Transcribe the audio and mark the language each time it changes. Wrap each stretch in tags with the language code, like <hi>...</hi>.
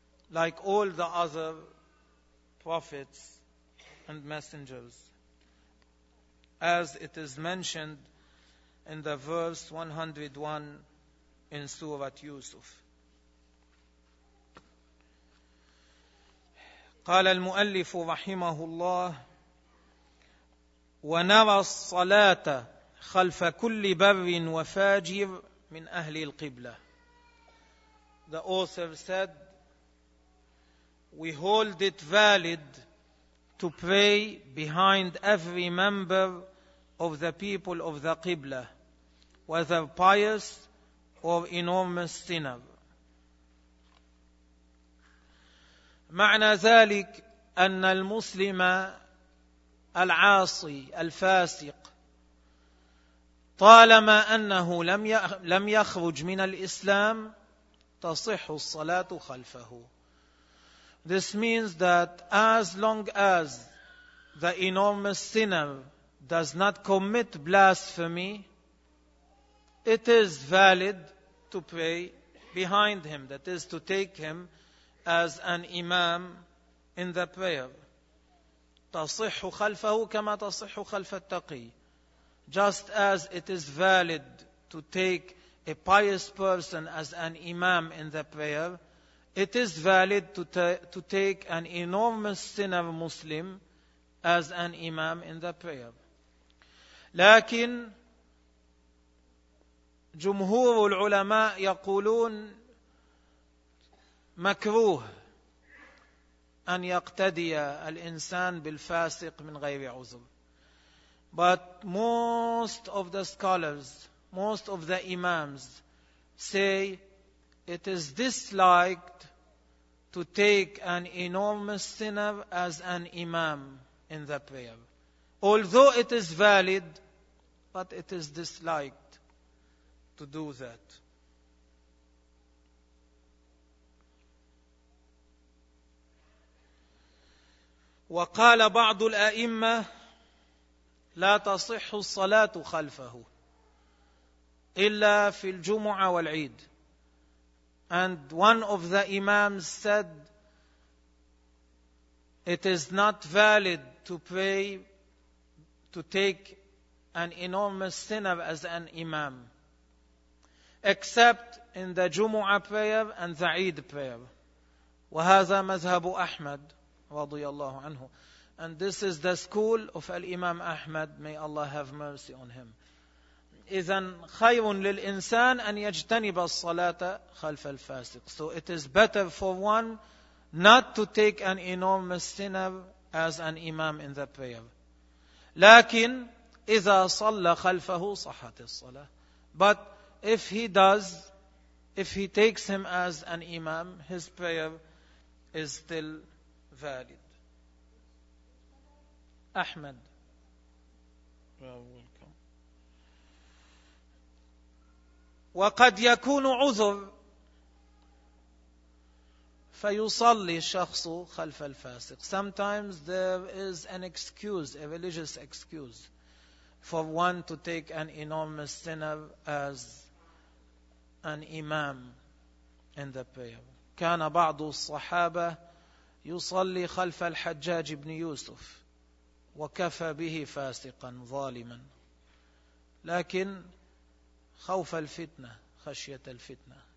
<en>like all the other prophets and messengers, as it is mentioned in the verse 101 in Surah Yusuf.</en> <ar>قال المؤلف رحمه الله ونرى الصلاة خلف كل بر وفاجر من أهل القبلة.</ar> <en>The author said, we hold it valid to pray behind every member of the people of the Qibla, whether pious or enormous sinner.</en> <ar>معنى ذلك أن المسلم العاصي الفاسق طالما أنه لم يخرج من الإسلام تصح الصلاة خلفه.</ar> <en>This means that as long as the enormous sinner does not commit blasphemy, it is valid to pray behind him, that is to take him as an imam in the prayer.</en> <ar>تصح خلفه كما تصح خلف التقي.</ar> <en>Just as it is valid to take a pious person as an imam in the prayer, it is valid to take an enormous sinner Muslim as an imam in the prayer.</en> <ar>لكن جمهور العلماء يقولون مكروه أن يقتدي الإنسان بالفاسق من غير عذر.</ar> <en>But most of the scholars, most of the imams say it is disliked to take an enormous sinner as an imam in the prayer. Although it is valid, but it is disliked to do that.</en> <ar>وقال بعض الأئمة لا تصح الصلاة خلفه إلا في الجمعة والعيد.</ar> <en>And one of the imams said, it is not valid to pray, to take an enormous sinner as an imam, except in the Jumu'ah prayer and the Eid prayer.</en> <ar>وهذا مذهب أحمد رضي الله عنه.</ar> <en>And this is the school of Al-Imam Ahmad, may Allah have mercy on him.</en> <ar>إذن خير للإنسان أن يجتنب الصلاة خلف الفاسق.</ar> <en>So it is better for one not to take an enormous sinner as an imam in the prayer.</en> <ar>لكن إذا صلى خلفه صحة الصلاة.</ar> <en>But if he does, if he takes him as an imam, his prayer is still valid. Ahmed.</en> <ar>وقد يكون عذر فيصلي الشخص خلف الفاسق.</ar> <en>Sometimes there is an excuse, a religious excuse, for one to take an enormous sinner as an imam in the prayer.</en> <ar>كان بعض الصحابة يصلي خلف الحجاج بن يوسف وكفى به فاسقا ظالما. لكن خوف الفتنة, خشية الفتنة.</ar>